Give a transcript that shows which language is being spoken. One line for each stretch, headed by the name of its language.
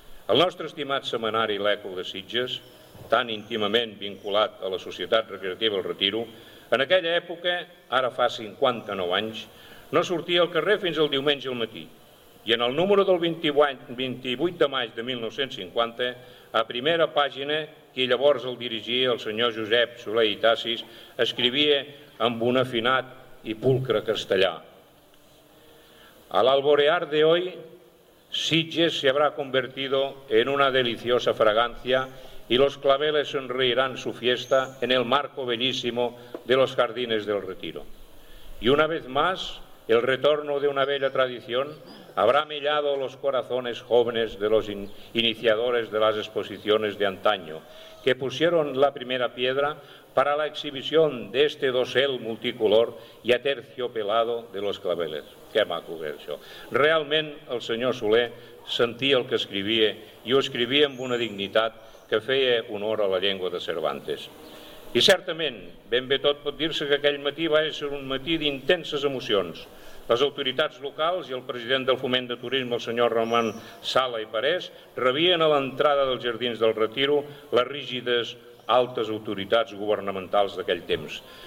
Catalan: El nostre estimat setmanari L'Eco de Sitges, tan íntimament vinculat a la Societat Recreativa El Retiro, en aquella època, ara fa 59 anys, no sortia al carrer fins al diumenge al matí, i en el número del 28 de maig de 1950, a primera pàgina, qui llavors el dirigia, el senyor Josep Soler i Tassis, escrivia amb un afinat i pulcre castellà.
Spanish: A l'alborear de hoy, Sitges se habrá convertido en una deliciosa fragancia y los claveles sonreirán su fiesta en el marco bellísimo de los jardines del Retiro. Y una vez más, el retorno de una bella tradición habrá mellado los corazones jóvenes de los iniciadores de las exposiciones de antaño, que pusieron la primera piedra para la exhibición de este dosel multicolor y aterciopelado de los claveles.
Catalan: Qué maco que això. Realment, el senyor Soler sentia el que escrivia i ho escrivia amb una dignitat que feia honor a la llengua de Cervantes. I certament, ben bé tot pot dir-se que aquell matí va ser un matí d'intenses emocions. Les autoritats locals i el president del Foment de Turisme, el senyor Ramon Sala i Parés, rebien a l'entrada dels Jardins del Retiro les rígides altes autoritats governamentals d'aquell temps.